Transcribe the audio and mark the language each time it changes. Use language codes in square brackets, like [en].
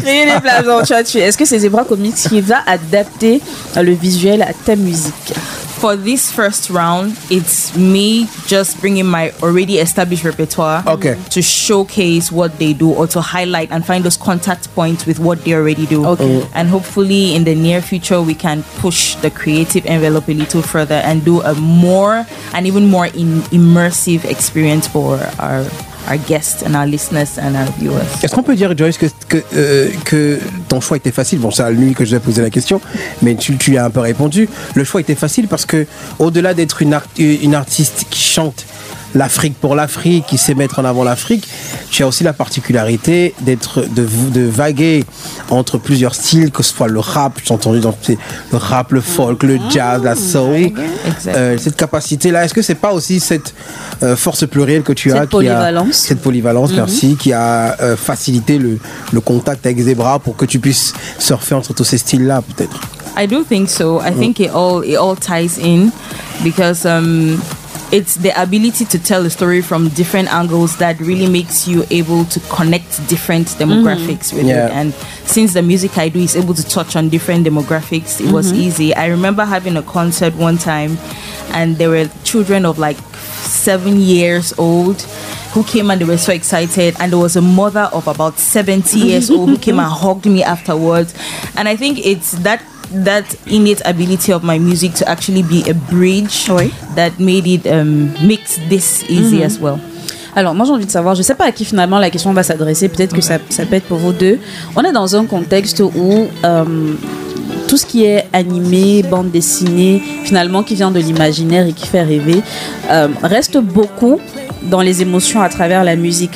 [fr] Créer les blasons, tu vois. Est-ce que c'est Zebra Comics qui va adapter le visuel à ta musique? [en] For this first round, it's me just bringing my already established repertoire to showcase what they do or to highlight and find those contact points with what they already do. Okay. And hopefully in the near future, we can push the creative envelope a little further and do a more and even more immersive experience for our guests and our listeners and our viewers. [fr] Est-ce qu'on peut dire, Joyce, que ton choix était facile? Bon, c'est à lui que je vais poser la question, mais tu as un peu répondu. Le choix était facile parce que, au-delà d'être une artiste qui chante l'Afrique pour l'Afrique, qui sait mettre en avant l'Afrique, tu as aussi la particularité de vaguer entre plusieurs styles, que ce soit le rap, j'ai entendu le rap, le folk, le jazz, la soul. [en] Exactly. [fr] Cette capacité-là, est-ce que c'est pas aussi cette force plurielle que tu as cette polyvalence, qui a, cette polyvalence, merci, qui a facilité le contact avec Zebra pour que tu puisses surfer entre tous ces styles-là, peut-être? [en] I do think so. I think it all ties in because it's the ability to tell a story from different angles that really makes you able to connect different demographics with it. And since the music I do is able to touch on different demographics, it was easy. I remember having a concert one time and there were children of like 7 years old who came and they were so excited, and there was a mother of about 70 years old who came and hugged me afterwards. And I think it's that innate ability of my music to actually be a bridge that made it make this easy as well. [fr] Alors moi j'ai envie de savoir, je sais pas à qui finalement la question va s'adresser, peut-être que ça peut être pour vous deux. On est dans un contexte où tout ce qui est animé, bande dessinée, finalement qui vient de l'imaginaire et qui fait rêver, reste beaucoup dans les émotions à travers la musique.